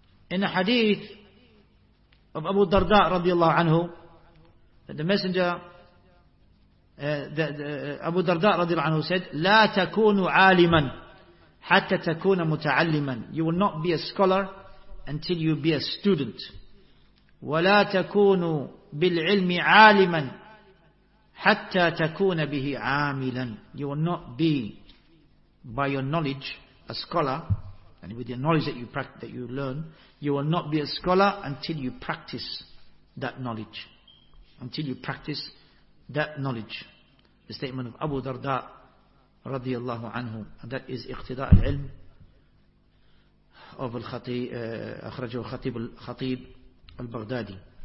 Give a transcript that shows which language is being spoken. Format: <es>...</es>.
<en>In a hadith of Abu Darda radiallahu anhu, the messenger, Abu Darda radiallahu anhu said,</en> <ar>لا تكون عالما حتى تكون متعلما.</ar> <en>You will not be a scholar until you be a student.</en> <ar>ولا تكون بالعلم عالما حتى تكون به عاملا.</ar> <en>You will not be by your knowledge a scholar, and with the knowledge that you practice, that you learn, you will not be a scholar until you practice that knowledge. Until you practice that knowledge. The statement of Abu Darda radiallahu anhu, and that is Iqtida' al-ilm of Akhrajahu al-Khatib al-Khatib al-Baghdadi.</en>